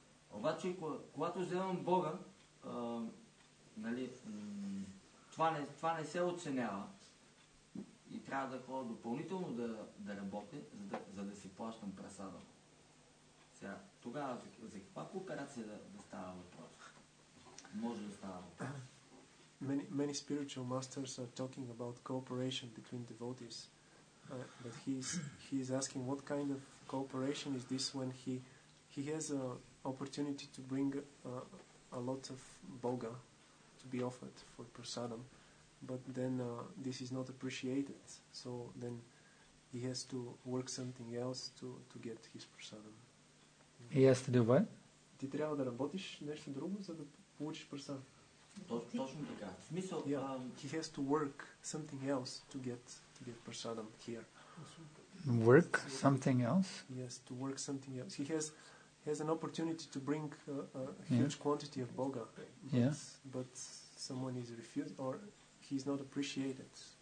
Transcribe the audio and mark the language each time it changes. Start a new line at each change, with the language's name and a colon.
Bulgarian: Обаче, когато вземам Бога, нали, това не се оценява и трябва да ходя допълнително да работя, за да си плащам прасада. Сега, тогава за каква кооперация да става въпрос? Може да става въпрос.
English: Many spiritual masters are talking about cooperation between devotees. But he is asking what kind of cooperation is this when he has a opportunity to bring a lot of boga to be offered for prasadam, but then this is not appreciated, so then he has to work something else to get his prasadam. He has to do what?
Bulgarian: Ти трябва да работиш нещо друго, за да получиш прасадам. Точно така. В смисъл,
English: he has to work something else to get prasadam here. Work something else? Yes, to work something else. He has an opportunity to bring a huge quantity of boga. Yes. But someone is refused or he's not appreciated.